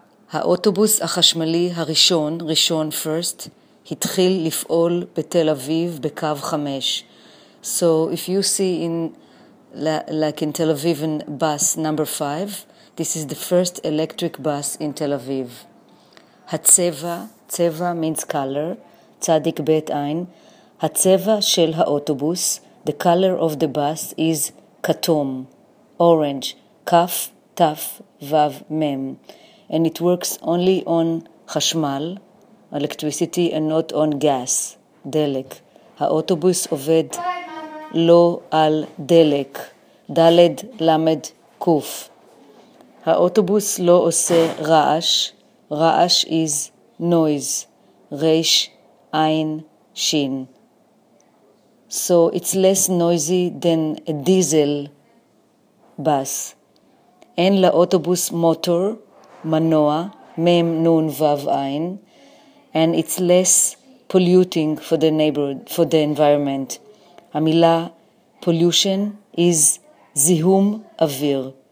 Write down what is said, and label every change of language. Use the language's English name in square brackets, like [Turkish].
[Hebrew] האוטובוס החשמלי הראשון, ראשון [English] first, [Hebrew] התחיל לפעול בתל אביב בקו 5. [English] So if you see in like in Tel Aviv in bus number 5, this is the first electric bus in Tel Aviv. [Hebrew] הצבע, צבע [English] means color, [Hebrew] צדיק בית עין, הצבע של האוטובוס, [English] the color of the bus is [Hebrew] כתום, [English] orange, [Hebrew] כף, תף, וו, מם. [English] And it works only on [Hebrew] חשמל, [English] electricity, and not on gas, [Hebrew] דלק. האוטובוס עובד לא על דלק, דלד, למד, קוף. האוטובוס לא עושה רעש, רעש [English] is noise, [Hebrew] ריש, עין, שין. [English] So it's less noisy than a diesel bus. [Hebrew] אין לאוטובוס מוטור, מנוע, מם נון וו עין, and it's less polluting for the neighborhood, for the environment. המילה [English] pollution is [Hebrew] זיהום אוויר.